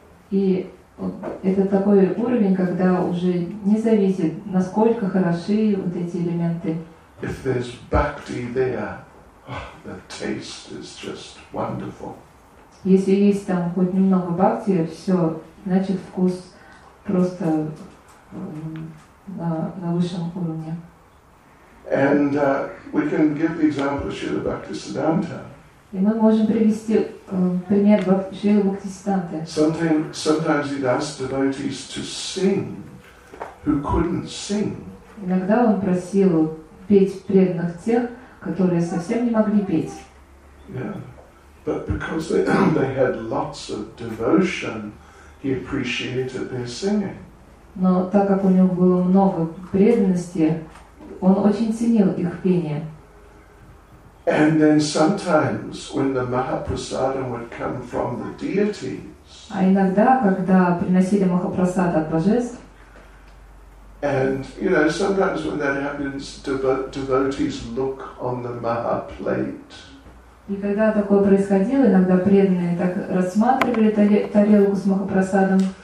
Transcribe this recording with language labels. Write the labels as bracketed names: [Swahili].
[Russian] И это такой уровень, когда уже не зависит, насколько хороши вот эти элементы. [English] If there's bhakti there, oh, the taste is just wonderful. [Russian] Если есть там хоть немного бхакти, все, значит вкус просто на высшем уровне. [English] And we can give the example of Srila Bhaktisiddhanta. [Russian] И мы можем привести пример Srila Bhaktisiddhanta. [English] Sometimes he'd ask devotees to sing who couldn't sing. [Russian] Иногда он просил петь преданных тех, которые совсем не могли петь. [English] But because they had lots of devotion, he appreciated their singing. [Russian] Но так как у него было много преданности, он очень ценил их пение. [English] And then sometimes when the Mahaprasadam would come from the deities. [Russian] А иногда, когда приносили Махапрасад от божеств. [English] And you know, sometimes when that happens, devotees look on the Mahaplate. [Russian] И когда такое происходило, иногда преданные так рассматривали тарелку с махапрасадом.